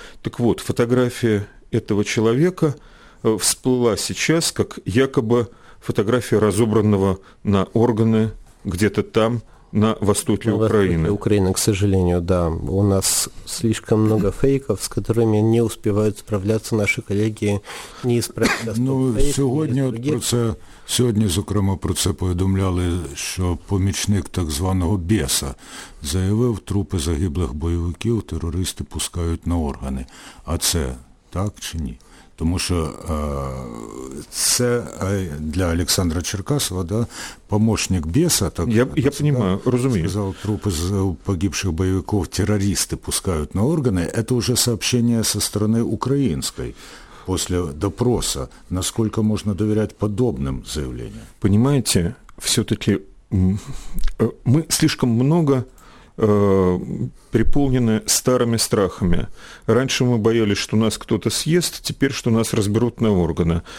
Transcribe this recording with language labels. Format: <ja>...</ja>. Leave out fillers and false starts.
<ru>Так вот, фотография этого человека всплыла сейчас, как якобы фотография разобранного на органы где-то там, на востоке Украины. К сожалению, да. У нас слишком много фейков, с которыми не успевают справляться наши коллеги, не исправить. Ну, сегодня,</ru> <uk>зокрема, про це повідомляли, що помічник так званого «Беса» заявив, трупи загиблих бойовиків терористи пускають на органи. А це так чи ні? тому що це для Олександра Черкасова, да,</uk> <ru>помощник беса,</ru> <uk>так</uk> <ru>я понимаю, да,</ru> <uk>розумію. Сказав, трупи з погибших бойовиків терористи пускають на органи. Це вже сообщення зі сторони української.</uk> <ru>После допроса, насколько можно доверять подобным заявлениям? Понимаете, все-таки мы слишком много переполнены старыми страхами. Раньше мы боялись, что нас кто-то съест, теперь, что нас разберут на органы.</ru>